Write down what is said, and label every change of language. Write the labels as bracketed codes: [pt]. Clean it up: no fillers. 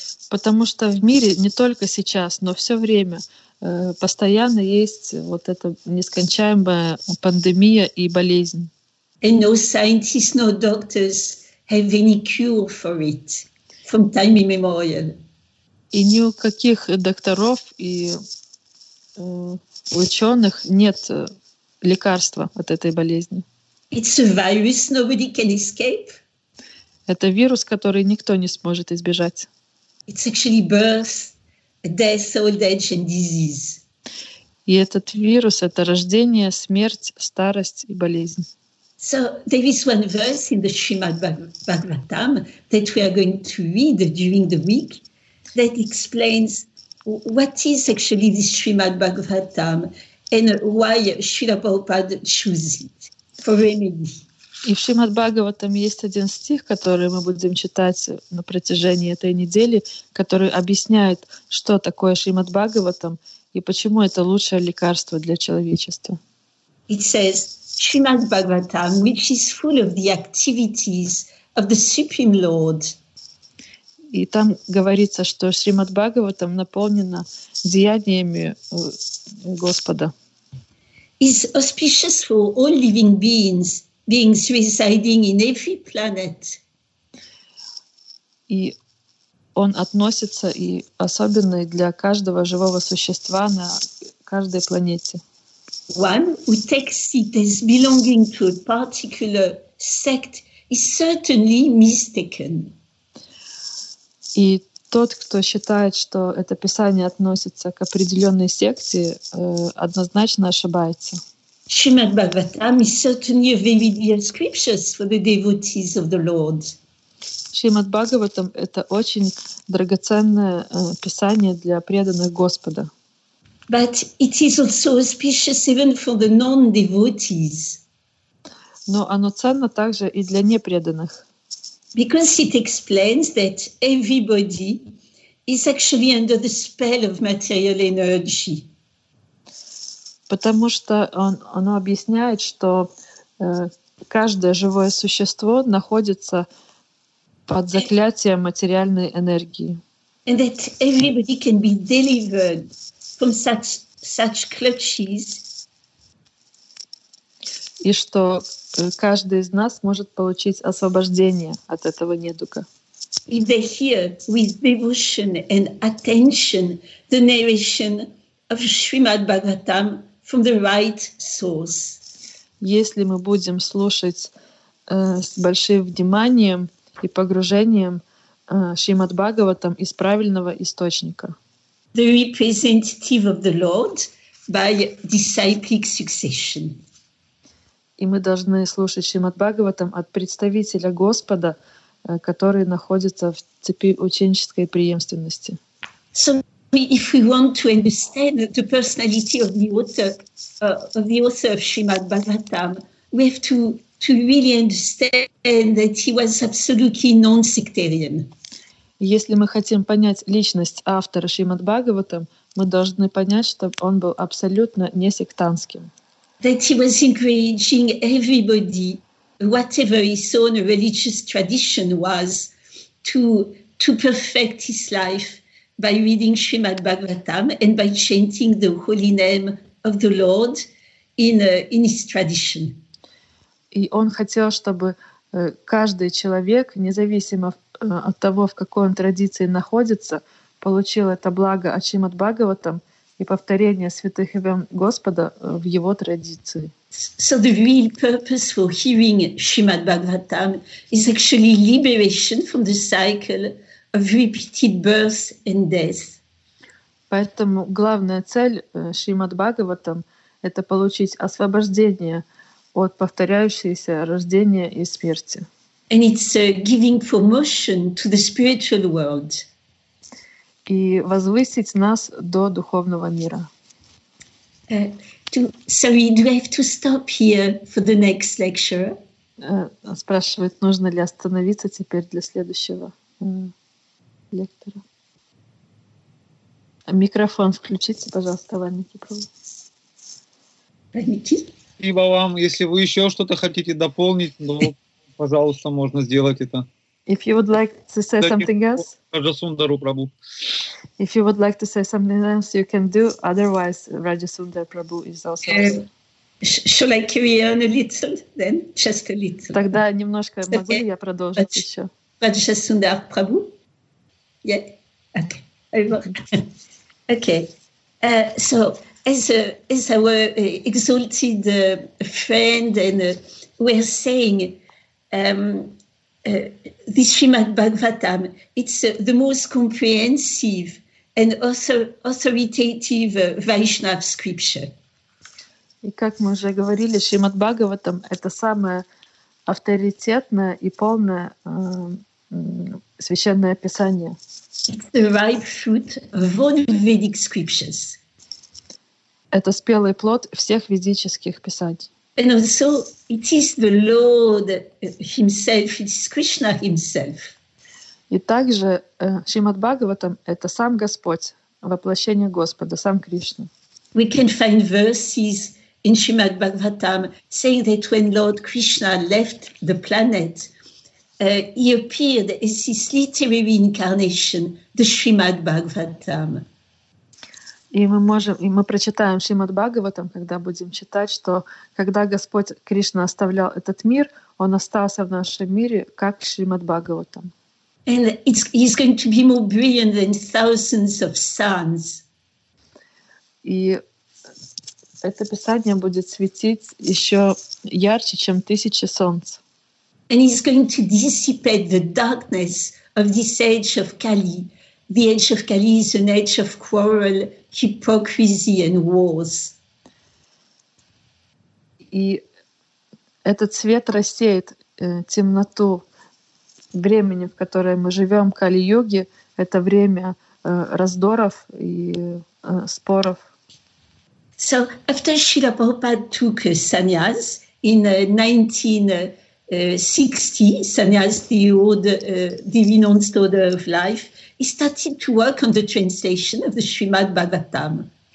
[ru] Потому что в мире не только сейчас, но все время постоянно есть вот эта нескончаемая пандемия и болезнь. [en] And no scientists, no doctors have any cure for it from time immemorial. [ru] И ни у каких докторов и ученых нет лекарства от этой болезни. [en] It's a virus, nobody can escape. [ru] Это вирус, который никто не сможет избежать. [en] It's actually birth, death, old age and disease. [ru] И этот вирус — это рождение, смерть, старость и болезнь. [en] So there is one verse in the Srimad Bhagavatam that we are going to read during the week that explains what is actually this Srimad Bhagavatam and why Srila Prabhupada chose it for remedy. [ru] И в Шримад Бхагаватам есть один стих, который мы будем читать на протяжении этой недели, который объясняет, что такое Шримад Бхагаватам и почему это лучшее лекарство для человечества. [en] It says, Srimad Bhagavatam, which is full of the activities of the Supreme Lord. [ru] И там говорится, что Шримад Бхагаватам наполнено деяниями Господа. [en] Is auspicious for all living beings, beings residing in every planet. [ru] И он относится и особенно для каждого живого существа на каждой планете. [en] One who takes it as belonging to a particular sect is certainly mistaken. [ru] И тот, кто считает, что это писание относится к определенной секте, однозначно ошибается. [en] Srimad Bhagavatam is certainly a very dear scriptures for the devotees of the Lord. [ru] Srimad Bhagavatam — это очень драгоценное писание для преданных Господа. [en] But it is also auspicious even for the non-devotees. [ru] Но оно ценно также и для непреданных. [en] Because it explains that everybody is actually under the spell of material energy. [ru] Потому что оно объясняет, что каждое живое существо находится под заклятием материальной энергии. [en] And that everybody can be delivered from such clutches. [ru] И что каждый из нас может получить освобождение от этого недуга. [en] If they hear with devotion and attention the narration of Srimad Bhagavatam from the right source. [ru] Если мы будем слушать с большим вниманием и погружением Шримад Бхагаватам из правильного источника. [en] The representative of the Lord by disciplic succession. [ru] И мы должны слушать Шримад Бхагаватам от представителя Господа, который находится в цепи ученической преемственности. [en] So if we want to understand the personality of the author, of the author of Srimad Bhagavatam, we have to really understand that he was absolutely non-sectarian. [ru] Если мы хотим понять личность автора Шримад Бхагаватам, мы должны понять, что он был абсолютно не сектантским. [en] That he was encouraging everybody, whatever his own religious tradition was, to perfect his life by reading Srimad Bhagavatam and by chanting the holy name of the Lord in his tradition. [ru] И он хотел, чтобы каждый человек, независимо от того, в какой он традиции находится, получил это благо от Шримад Бхагаватам и повторение святых имен Господа в его традиции. [en] So the real purpose for hearing Srimad Bhagavatam is actually liberation from the cycle of repeated birth and death. [ru] Поэтому главная цель Шримад Бхагаватам — это получить освобождение от повторяющегося рождения и смерти. [en] And it's giving promotion to the spiritual world. [ru] И возвысить нас до духовного мира. [en] Do I have to stop here for the next lecture? [ru] Спрашивает, нужно ли остановиться теперь для следующего лектора. Микрофон включите, пожалуйста, Вальмики. Вальмики? Спасибо вам. Если вы еще что-то хотите дополнить, ну, пожалуйста, можно сделать это. [en] If you would like to say something else, Rajasundaru Prabhu. If you would like to say something else, you can do. Otherwise, Rajasundaru Prabhu is also. Shall I carry on a little then? Just a little. [ru] Тогда немножко могу я продолжить еще. [en] Rajasundaru Prabhu. Yeah. Okay. So. As our exalted friend and were saying, this Srimad Bhagavatam, it's the most comprehensive and authoritative Vaishnav scripture. [ru] И как мы уже говорили, Шримад Бхагаватам — это самое авторитетное и полное священное писание. [en] It's the ripe fruit of all Vedic scriptures. [ru] Это спелый плод всех ведических писаний. [en] And also it is the Lord himself, it is Krishna himself. [ru] И также Шримад Бхагаватам — это сам Господь, воплощение Господа, сам Кришна. [en] We can find verses in Shrimad Bhagavatam saying that when Lord Krishna left the planet, he appeared as his literary incarnation, the Shrimad Bhagavatam. [ru] И мы можем, и мы прочитаем Шримад Бхагаватам, когда будем читать, что когда Господь Кришна оставлял этот мир, Он остался в нашем мире как Шримад Бхагаватам. [en] And he's going to be more brilliant than thousands of suns. [ru] И это писание будет светить еще ярче, чем тысячи солнц. [en] And he's going to dissipate the darkness of this age of Kali. The age of Kali is an age of quarrel, hypocrisy and wars. [ru] И этот свет рассеет темноту времени, в которое мы живем, Кали-юги. Это время раздоров и споров. [en] So after Srila Prabhupada took sannyas in 1960, sannyas, the old renounced order of life, he started to work on the translation of the Srimad Bhagavatam.